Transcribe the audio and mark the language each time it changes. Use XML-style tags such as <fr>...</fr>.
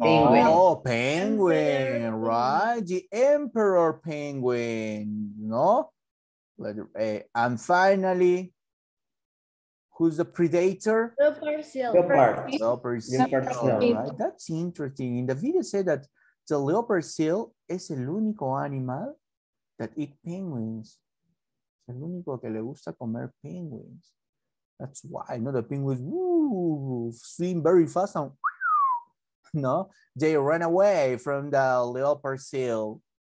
<en>Oh, penguin, right? The emperor penguin, no? Letter A. And finally, who's the predator? Leopard seal. Right? That's interesting. In the video said that the leopard seal is</en> <es>el único animal</es> <en>that eat penguins.</en> <es>Es el único que le gusta comer penguins.</es> <en>That's why, no? The penguins swim very fast and... No, they ran away from the leopard seal.</en>